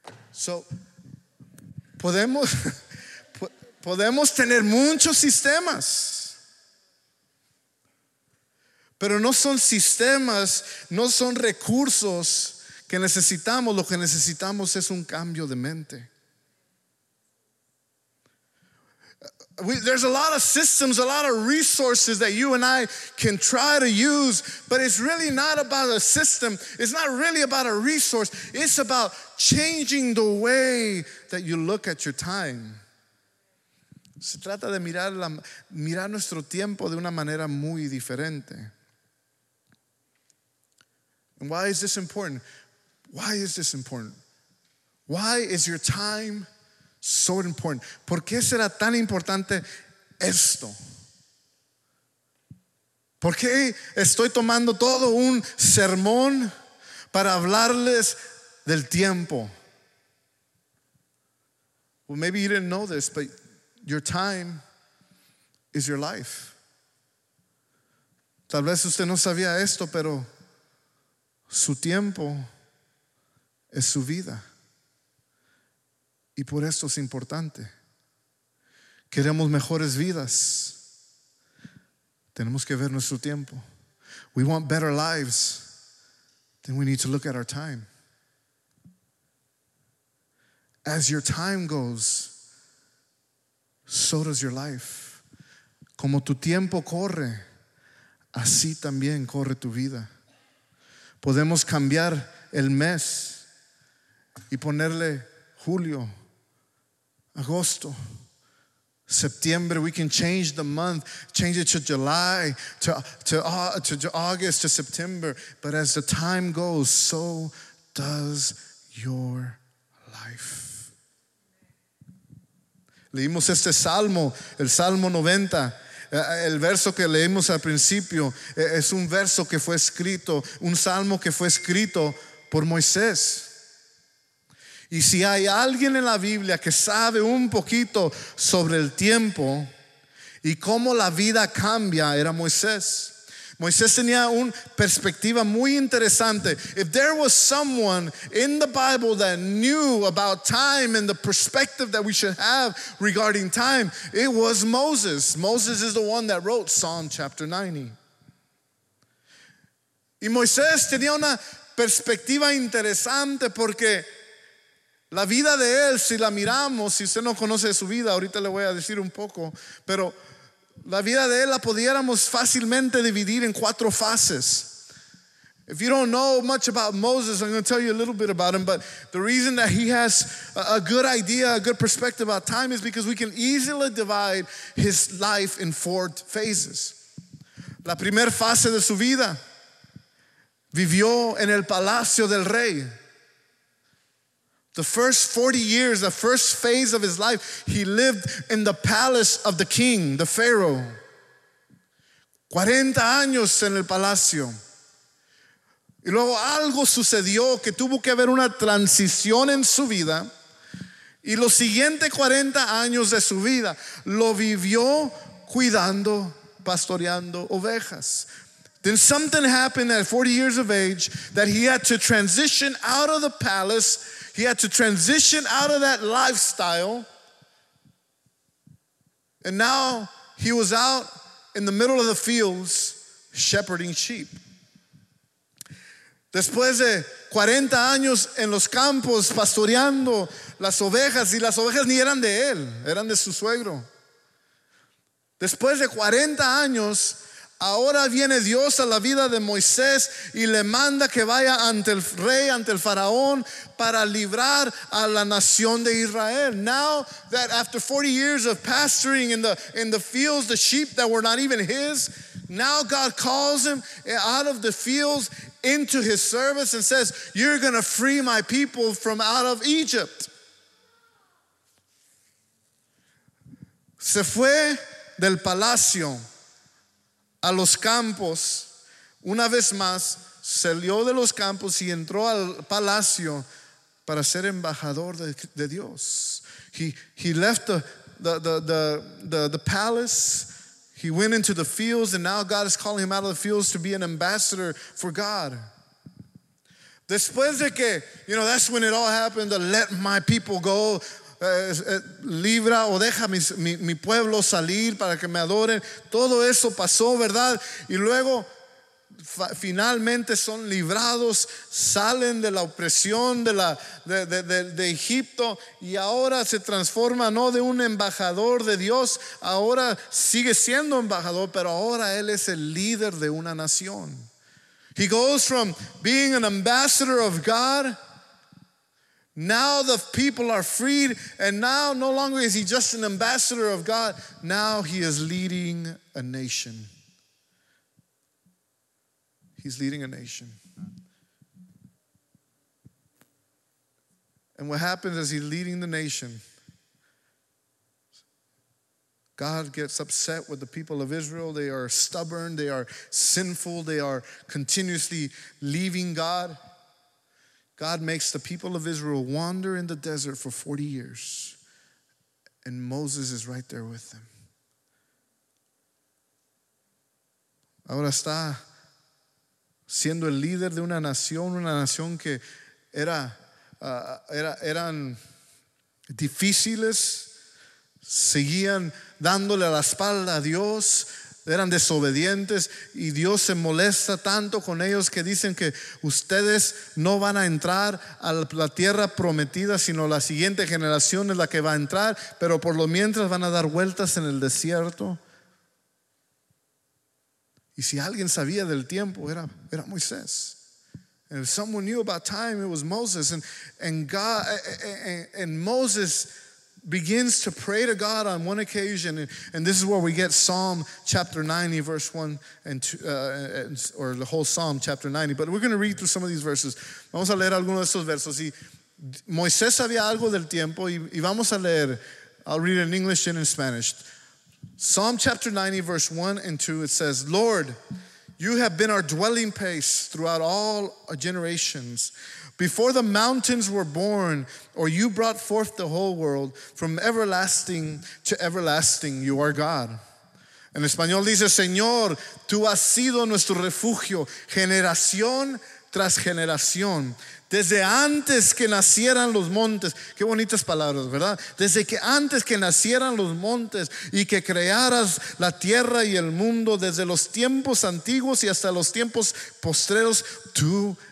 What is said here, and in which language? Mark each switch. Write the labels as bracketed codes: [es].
[es] So, podemos tener muchos sistemas, pero no son sistemas, no son recursos que necesitamos. Lo que necesitamos es un cambio de mente. [en] There's a lot of systems, a lot of resources that you and I can try to use, but it's really not about a system. It's not really about a resource. It's about changing the way that you look at your time. [es] Se trata de mirar nuestro tiempo de una manera muy diferente. [en] And why is this important? Why is this important? Why is your time so important? [es] ¿Por qué será tan importante esto? ¿Por qué estoy tomando todo un sermón para hablarles del tiempo? [en] Well, maybe you didn't know this, but your time is your life. [es] Tal vez usted no sabía esto, pero su tiempo es su vida. Y por esto es importante. Queremos mejores vidas. Tenemos que ver nuestro tiempo. [en] We want better lives. Then we need to look at our time. As your time goes, so does your life. [es] Como tu tiempo corre, así también corre tu vida. Podemos cambiar el mes y ponerle julio. [en] Agosto, September, we can change the month, change it to July, to August, to September. But as the time goes, so does your life. [es] Leímos este salmo, el salmo 90. El verso que leímos al principio es un verso que fue escrito, un salmo que fue escrito por Moisés. Y si hay alguien en la Biblia que sabe un poquito sobre el tiempo y cómo la vida cambia, era Moisés. Moisés tenía una perspectiva muy interesante. [en] If there was someone in the Bible that knew about time and the perspective that we should have regarding time, it was Moses. Moses is the one that wrote Psalm chapter 90. [es] Y Moisés tenía una perspectiva interesante, porque la vida de él, si la miramos, si usted no conoce su vida, ahorita le voy a decir un poco, pero la vida de él la pudiéramos fácilmente dividir en cuatro fases. [en] If you don't know much about Moses, I'm going to tell you a little bit about him, but the reason that he has a good idea, a good perspective about time is because we can easily divide his life in four phases. [es] La primera fase de su vida, vivió en el palacio del rey. [en] The first 40 years, the first phase of his life, he lived in the palace of the king, the Pharaoh. [es] 40 años en el palacio. Y luego algo sucedió que tuvo que haber una transición en su vida. Y los siguientes 40 años de su vida lo vivió cuidando, pastoreando ovejas. [en] Then something happened at 40 years of age that he had to transition out of the palace. He had to transition out of that lifestyle. And now he was out in the middle of the fields shepherding sheep. [es] Después de 40 años en los campos pastoreando las ovejas, y las ovejas ni eran de él, eran de su suegro. Después de 40 años, ahora viene Dios a la vida de Moisés y le manda que vaya ante el rey, ante el faraón, para librar a la nación de Israel. [en] Now that after 40 years of pastoring in the fields, the sheep that were not even his, now God calls him out of the fields into his service and says, "You're going to free my people from out of Egypt." [es] Se fue del palacio a los campos. Una vez más, salió de los campos y entró al palacio para ser embajador de Dios. [en] He left the palace. He went into the fields, and now God is calling him out of the fields to be an ambassador for God. [es] Después de que, [en] you know, that's when it all happened, to let my people go. [es] Libra o deja mi pueblo salir para que me adoren. Todo eso pasó, ¿verdad? Y luego finalmente son librados, salen de la opresión de Egipto, y ahora se transforma no de un embajador de Dios, ahora sigue siendo embajador, pero ahora él es el líder de una nación. [en] He goes from being an ambassador of God. Now the people are freed, and now no longer is he just an ambassador of God. Now he is leading a nation. He's leading a nation. And what happens as he's leading the nation, God gets upset with the people of Israel. They are stubborn, they are sinful, they are continuously leaving God. God makes the people of Israel wander in the desert for 40 years, and Moses is right there with them. [es] Ahora está siendo el líder de una nación que eran difíciles, seguían dándole la espalda a Dios. Eran desobedientes, y Dios se molesta tanto con ellos que dicen que ustedes no van a entrar a la tierra prometida, sino la siguiente generación es la que va a entrar, pero por lo mientras van a dar vueltas en el desierto. Y si alguien sabía del tiempo, era Moisés. [en] And if someone knew about time, it was Moses. And Moses begins to pray to God on one occasion, and this is where we get Psalm chapter 90, verse 1 and 2, or the whole Psalm chapter 90. But we're going to read through some of these verses. [es] Vamos a leer algunos de esos versos. Y Moisés sabía algo del tiempo, y vamos a leer. [en] I'll read it in English and in Spanish. Psalm chapter 90, verse 1 and 2, it says, "Lord, you have been our dwelling place throughout all generations. Before the mountains were born, or you brought forth the whole world, from everlasting to everlasting, you are God." [es] En español dice, "Señor, tú has sido nuestro refugio, generación tras generación. Desde antes que nacieran los montes." Qué bonitas palabras, ¿verdad? "Desde que antes que nacieran los montes y que crearas la tierra y el mundo, desde los tiempos antiguos y hasta los tiempos postreros, tú